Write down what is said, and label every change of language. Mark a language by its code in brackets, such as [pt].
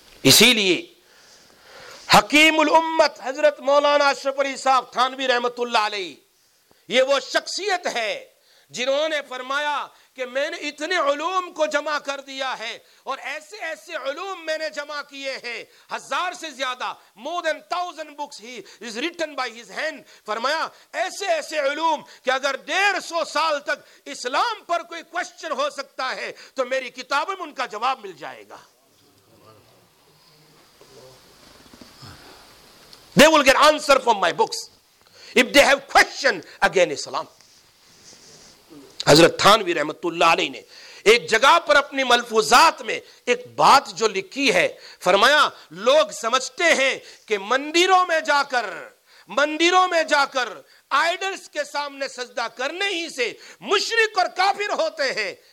[ur] اسی لیے حکیم الامت حضرت مولانا اشرف علی صاحب تھانوی رحمت اللہ علیہ, یہ وہ شخصیت ہے جنہوں نے فرمایا کہ میں نے اتنے علوم کو جمع کر دیا ہے اور ایسے ایسے علوم میں نے جمع کیے ہیں, ہزار سے زیادہ, [en] More than 1000 books he is written by his hand. [ur] فرمایا ایسے ایسے علوم کہ اگر 150 سال تک اسلام پر کوئی کوشچن ہو سکتا ہے تو میری کتابوں میں ان کا جواب مل جائے گا. [en] They will get answer from my books if they have question against Islam. [ur] حضرت تھانوی رحمت اللہ علیہ نے ایک جگہ پر اپنی ملفوظات میں ایک بات جو لکھی ہے, فرمایا لوگ سمجھتے ہیں کہ مندروں میں جا کر, مندروں میں جا کر آئیڈلز کے سامنے سجدہ کرنے ہی سے مشرک اور کافر ہوتے ہیں.